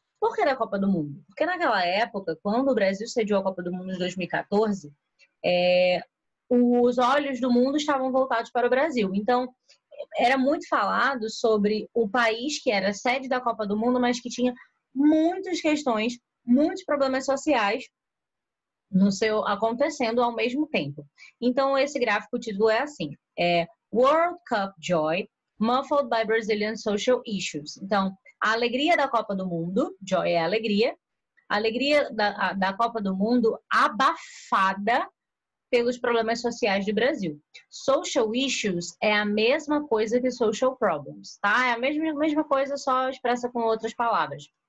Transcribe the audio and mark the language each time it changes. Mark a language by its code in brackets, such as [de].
[pt] Por que da Copa do Mundo? Porque naquela época, quando o Brasil sediou a Copa do Mundo de 2014, os olhos do mundo estavam voltados para o Brasil. Então, era muito falado sobre o país que era sede da Copa do Mundo, mas que tinha muitas questões, muitos problemas sociais no seu acontecendo ao mesmo tempo. Então, esse gráfico, o título é assim. [en] World Cup Joy Muffled by Brazilian Social Issues. [pt] Então, a alegria da Copa do Mundo, joy é alegria, a alegria da Copa do Mundo abafada pelos problemas sociais do Brasil. Social issues é a mesma coisa que social problems, tá? É a mesma coisa, só expressa com outras palavras.